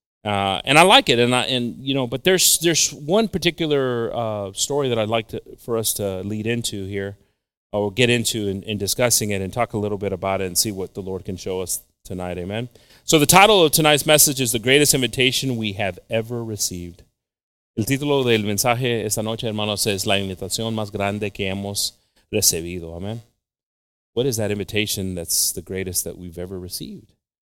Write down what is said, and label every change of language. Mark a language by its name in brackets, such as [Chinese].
[English] And I like it, and you know, but there's one particular story that I'd like to for us to lead into here, we'll get into in discussing it and talk a little bit about it and see what the Lord can show us tonight. Amen. So the title of tonight's message is The Greatest Invitation We Have Ever Received. [Spanish] El título del mensaje esta noche, hermanos, es La Invitación Más Grande Que Hemos Recibido. [English] Amen. What is that invitation that's the greatest that we've ever received?